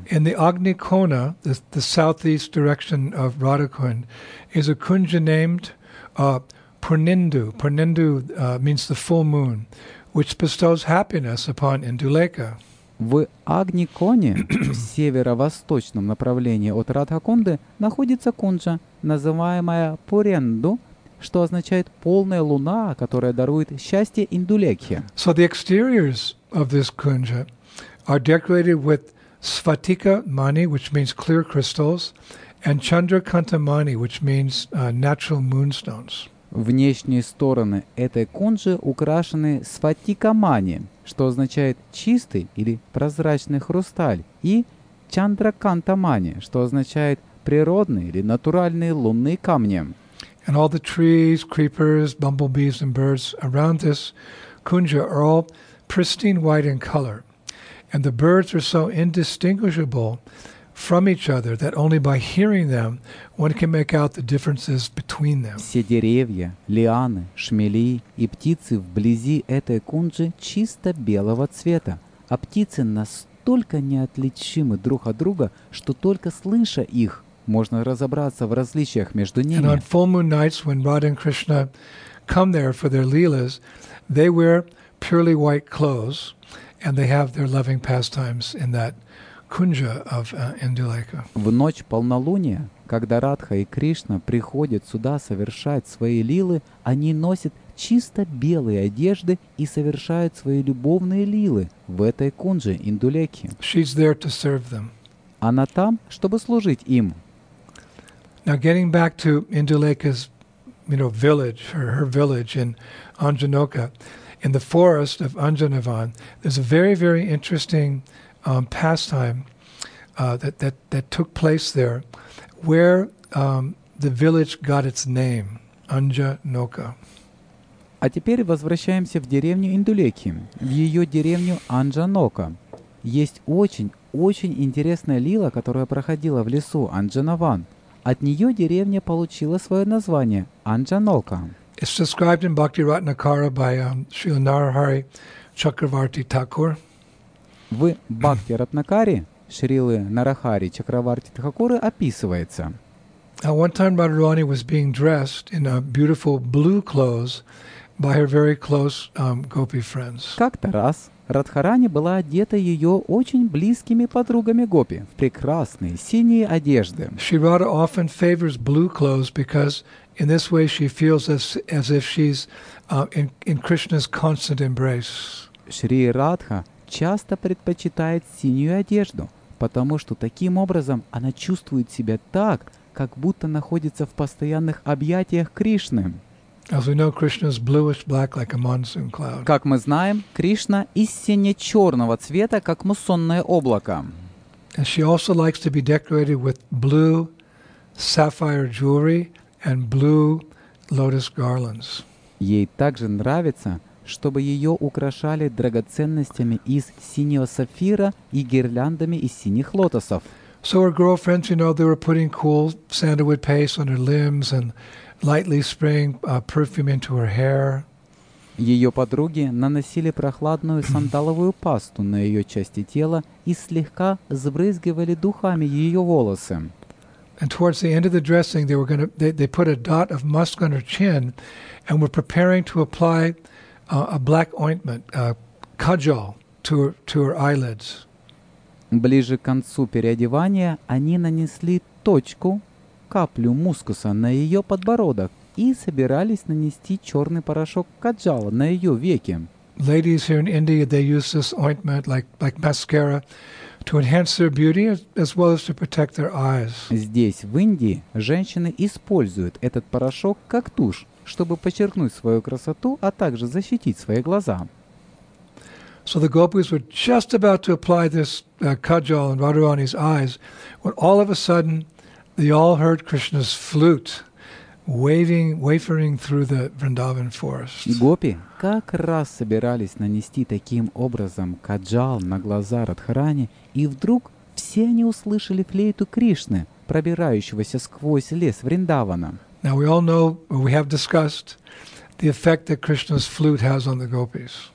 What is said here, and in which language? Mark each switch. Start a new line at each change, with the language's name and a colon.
English: In the Agni Kona, the southeast direction of Radha Kund, is a kunja named Purnindu. Purnindu means the full moon, which bestows happiness upon Induleka.
Russian: В Агни Коне, в северо-восточном направлении от Радха Кунды, находится кунджа, называемая Пуренду, что означает полная луна, которая дарует счастье Индулекхе.
English: So the exteriors of this kunja are decorated with Svatika Mani, which means clear crystals, and Chandrakanta Mani, which means natural moonstones.
Russian: Внешние стороны этой кунджи украшены Svatika Mani, что означает чистый или прозрачный хрусталь, и Chandrakanta Mani, что означает природные или натуральные лунные камни.
English: And all the trees, creepers, bumblebees, and birds around this kunja are all pristine white in color. And the birds are so indistinguishable from each other that only by hearing them one can make out the differences between them.
Russian: Все деревья, лианы, шмели и птицы вблизи этой кунжи чисто белого цвета, а птицы настолько неотличимы друг от друга, что только слыша их, можно разобраться в различиях между ними.
English: And on full moon nights when Radha and Krishna come there for their leelas, they wear purely white clothes and they have their loving pastimes in that Kunja of Indulaika.
Russian: В ночь полнолуния, когда Радха и Кришна приходят сюда совершать свои лилы, они носят чисто белые одежды и совершают свои любовные лилы в этой кунже Индулеки.
English: She's there to serve them.
Russian: Она там, чтобы служить им.
English: Now getting back to Indulaika's, you know, village, her village in Anjanoka, in the forest of Anjanavan, there's a very, very interesting pastime that took place there, where the village got its name, Anjanoka.
Russian: А теперь возвращаемся в деревню Индулеки, в ее деревню Анджанока. Есть очень интересная лила, которая проходила в лесу Анджанаван. От нее деревня получила свое название Анджанока.
English: It's described in Bhaktiratnakara by Srila Narahari Chakravarti Thakur.
Russian: В Бхактиратнакаре Шрилы Нарахари Чакраварти Тхакуры описывается.
English: One time Radharani was being dressed in a beautiful blue clothes by her very close gopi friends.
Russian: Как-то раз Радхарани была одета ее очень близкими подругами гопи в прекрасные синие одежды.
English: Shrirada often favors blue clothes because in this way she feels as if she's in Krishna's constant embrace.
Russian: Шри Радха часто предпочитает синюю одежду, потому что таким образом она чувствует себя так, как будто находится в постоянных объятиях Кришны.
English: As we know, Krishna's bluish black like a monsoon cloud.
Russian: Как мы знаем, Кришна из сине-черного цвета, как муссонное облако.
English: And she also likes to be decorated with blue sapphire jewelry and blue lotus garlands.
Russian: Ей также нравится, чтобы ее украшали драгоценностями из синего сапфира и гирляндами из синих лотосов.
English: So her girlfriends, you know, they were putting cool sandalwood paste on her limbs and lightly spraying perfume into her hair.
Russian: Ее подруги наносили прохладную сандаловую пасту на ее части тела и слегка сбрызгивали духами ее волосы.
English: And towards the end of the dressing, they put a dot of musk on her chin and were preparing to apply a black ointment, kajal, to her eyelids.
Russian: Ближе к концу переодевания они нанесли точку, каплю мускуса на ее подбородок и собирались нанести черный порошок каджала на ее веки.
English: Ladies here in India, they use this ointment like mascara to enhance their beauty as well as to protect their eyes.
Russian: Здесь, в Индии, женщины используют этот порошок как тушь, чтобы подчеркнуть свою красоту, а также защитить свои глаза.
English: So the gopis were just about to apply this kajal on Radharani's eyes when all of a sudden they all heard Krishna's flute wafering through the Vrindavan forest.
Russian: Гопи как раз собирались нанести таким образом каджал на глаза Радхарани, и вдруг все они услышали флейту Кришны, пробирающегося сквозь лес Вриндавана.
English: Now we all know, we have discussed the effect that Krishna's flute has on the gopis.